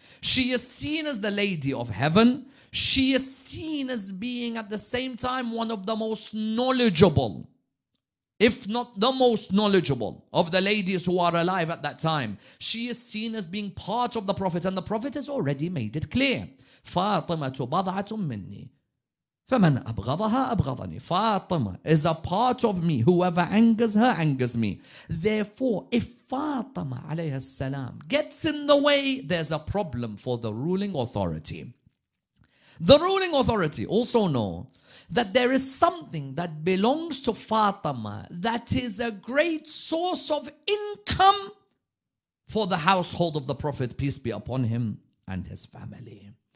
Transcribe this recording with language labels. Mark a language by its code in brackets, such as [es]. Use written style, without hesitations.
[en] She is seen as the lady of heaven. She is seen as being at the same time one of the most knowledgeable, if not the most knowledgeable, of the ladies who are alive at that time. She is seen as being part of the Prophet, and the Prophet has already made it clear. [ar] فاطمة بضعة مني فمن أبغضها أبغضني. [en] Fatima is a part of me. Whoever angers her, angers me. Therefore, if Fatima [ar] عليه السلام [en] gets in the way, there's a problem for the ruling authority. The ruling authority also know that there is something that belongs to Fatima that is a great source of income for the household of the Prophet, peace be upon him, and his family.